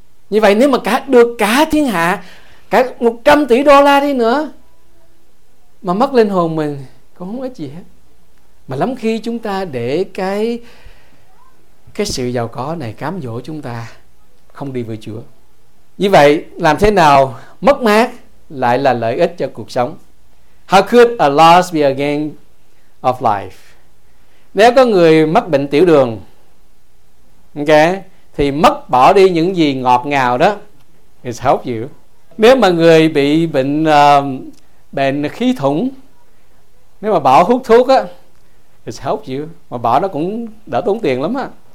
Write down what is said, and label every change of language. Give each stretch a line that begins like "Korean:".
Vietnamese: Như vậy nếu mà cả được cả thiên hạ, cả 100 tỷ đô la đi nữa mà mất linh hồn mình cũng không ích gì hết. Mà lắm khi chúng ta để cái sự giàu có này cám dỗ chúng ta không đi với Chúa. Như vậy làm thế nào mất mát lại là lợi ích cho cuộc sống?
English: How could a loss be a gain of life?
Vietnamese: Nếu có người mắc bệnh tiểu đường, ok, thì mất bỏ đi những gì ngọt ngào đó
English: is help you.
Vietnamese: Nếu mà người bị bệnh bệnh khí thủng, nếu mà bỏ hút thuốc á
English: is help you,
Vietnamese: mà bỏ nó cũng đỡ tốn tiền lắm á.